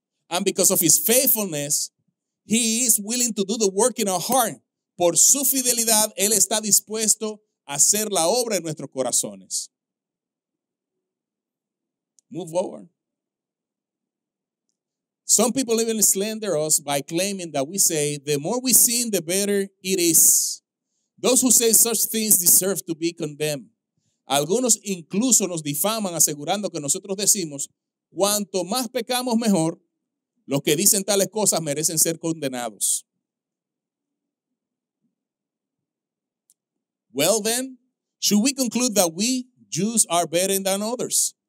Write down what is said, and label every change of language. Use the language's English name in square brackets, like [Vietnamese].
[English] And because of his faithfulness, he is willing to do the work in our heart. [Spanish] Por su fidelidad, él está dispuesto a hacer la obra en nuestros corazones. [English] Move forward. Some people even slander us by claiming that we say, the more we sin, the better it is. Those who say such things deserve to be condemned. [Spanish] Algunos incluso nos difaman asegurando que nosotros decimos, cuanto más pecamos mejor, los que dicen tales cosas merecen ser condenados. [English] Well then, should we conclude that we Jews are better than others?